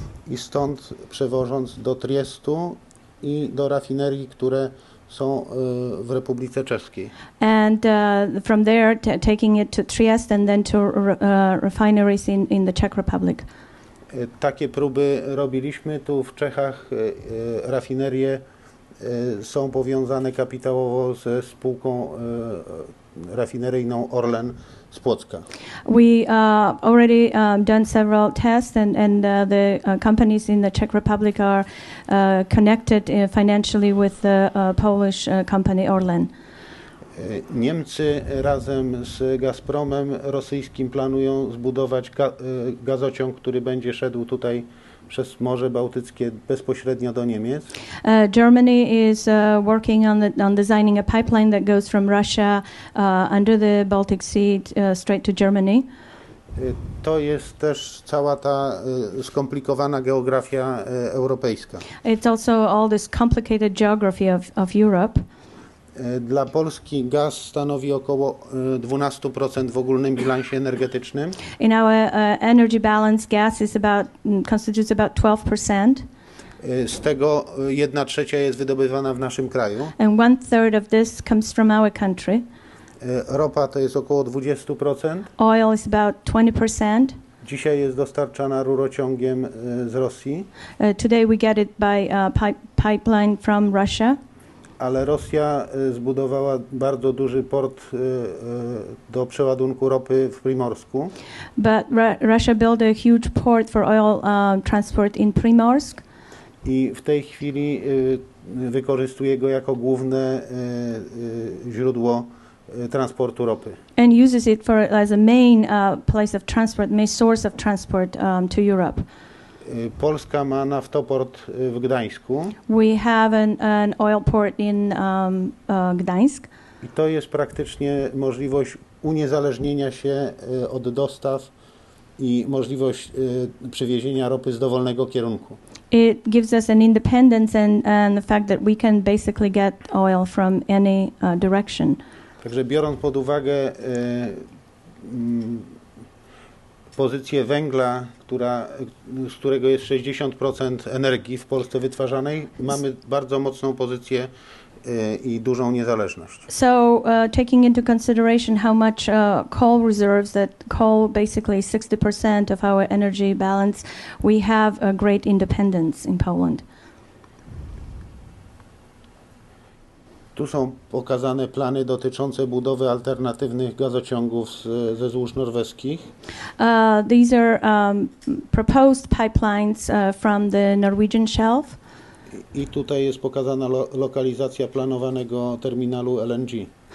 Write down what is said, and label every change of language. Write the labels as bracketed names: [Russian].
[Polish] I stąd przewożąc do Triestu i do rafinerii, które są w Republice Czeskiej. [English] And from there taking it to Trieste and then to refineries in the Czech Republic. [Polish] Takie próby robiliśmy tu w Czechach. Rafinerie są powiązane kapitałowo ze spółką rafineryjną Orlen z Płocka. [English] We already done several tests and the companies in the Czech Republic are connected financially with the Polish company Orlen. [Polish] Niemcy razem z Gazpromem rosyjskim planują zbudować gazociąg, który będzie szedł tutaj przez Morze Bałtyckie bezpośrednio do Niemiec. [English] Germany is working on designing a pipeline that goes from Russia under the Baltic Sea straight to Germany. [Polish] To jest też cała ta skomplikowana geografia europejska. [English] It's also all this complicated geography of Europe. [Polish] Dla Polski gaz stanowi około 12% w ogólnym bilansie energetycznym. [English] In our energy balance, gas is constitutes about 12%. [Polish] Z tego 1/3 jest wydobywana w naszym kraju. [English] And 1/3 of this comes from our country. [Polish] Ropa to jest około 20%. [English] Oil is about 20%. [Polish] Dzisiaj jest dostarczana rurociągiem z Rosji. [English] Today we get it by pipeline from Russia. [Polish] Ale Rosja zbudowała bardzo duży port do przeładunku ropy w Primorsku. [English] But Russia built a huge port for oil transport in Primorsk. [Polish] I w tej chwili wykorzystuje go jako główne źródło transportu ropy. [English] And uses it for as a main place of transport, main source of transport to Europe. [Polish] Polska ma naftoport w Gdańsku. [English] We have an oil port in Gdańsk. [Polish] I to jest praktycznie możliwość uniezależnienia się od dostaw i możliwość przywiezienia ropy z dowolnego kierunku. [English] It gives us an independence and the fact that we can basically get oil from any direction. [Polish] Także biorąc pod uwagę pozycję węgla, z którego jest 60% energii w Polsce wytwarzanej, mamy bardzo mocną pozycję i dużą niezależność. [English] So taking into consideration how much coal reserves, that coal basically 60% of our energy balance, we have a great independence in Poland. [Polish] Tu są pokazane plany dotyczące budowy alternatywnych gazociągów ze złóż norweskich. [English] These are proposed pipelines from the Norwegian shelf. [Polish] I tutaj jest pokazana lokalizacja planowanego terminalu LNG.